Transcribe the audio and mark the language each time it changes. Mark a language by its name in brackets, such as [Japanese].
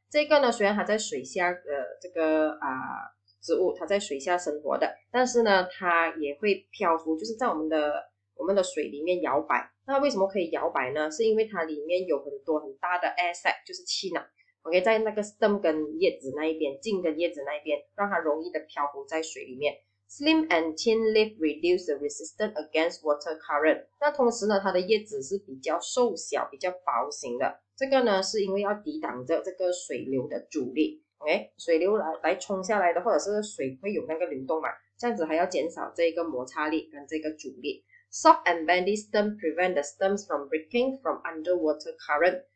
[Chinese] 这个呢，虽然它在水下的这个植物，它在水下生活的，但是呢，它也会漂浮，就是在我们的水里面摇摆。那为什么可以摇摆呢？是因为它里面有很多很大的 air sac， 就是气囊。 OK， 在那个 stem 跟叶子那一边，茎跟叶子那一边，让它容易的漂浮在水里面。 [English] Slim and thin leaf reduce the resistance against water current。 [Chinese] 那同时呢，它的叶子是比较瘦小比较薄型的，这个呢是因为要抵挡着这个水流的阻力。 OK， 水流 来冲下来的，或者是水会有那个流动嘛，这样子还要减少这个摩擦力跟这个阻力。 [English] Soft and bendy stem prevent the stems from breaking from underwater current。